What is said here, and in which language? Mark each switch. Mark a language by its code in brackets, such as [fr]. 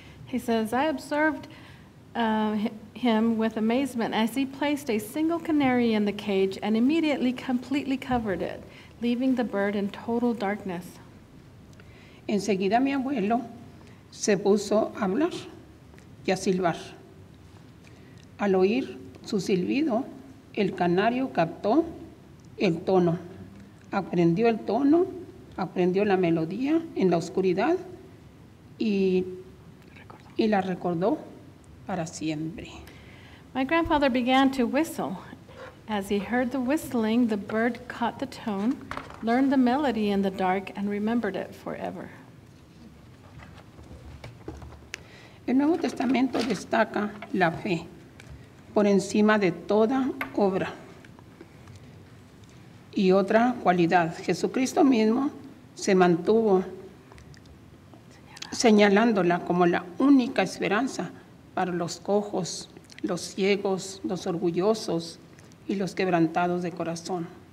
[en] He says, I observed him with amazement as he placed a single canary in the cage and immediately completely covered it, leaving the bird in total darkness. [es] Enseguida mi abuelo se puso a hablar y a silbar. Al oír su silbido, el canario captó el tono, aprendió el tono, aprendió la melodía en la oscuridad y la recordó para siempre. [en] My grandfather began to whistle. As he heard the whistling, the bird caught the tone, learned the melody in the dark, and remembered it forever. [es] El Nuevo Testamento destaca la fe por encima de toda obra. Y otra cualidad, Jesucristo mismo se mantuvo señalándola como la única esperanza para los cojos, los ciegos, los orgullosos y los quebrantados de corazón.